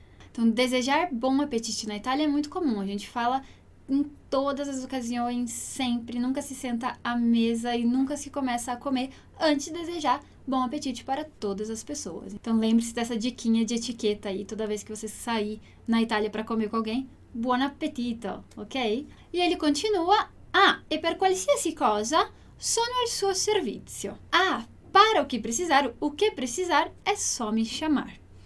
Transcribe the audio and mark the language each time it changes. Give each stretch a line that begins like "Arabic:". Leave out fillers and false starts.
Portuguese: Então, desejar bom apetite na Itália é muito comum. A gente fala em todas as ocasiões, sempre. Nunca se senta à mesa e nunca se começa a comer antes de desejar bom apetite para todas as pessoas. Então, lembre-se dessa diquinha de etiqueta aí. Toda vez que você sair na Itália para comer com alguém,
Italian: buon appetito, ok? E egli continua, e per qualsiasi cosa sono al suo servizio.
Portuguese: Ah, para o que precisar é só me chamar.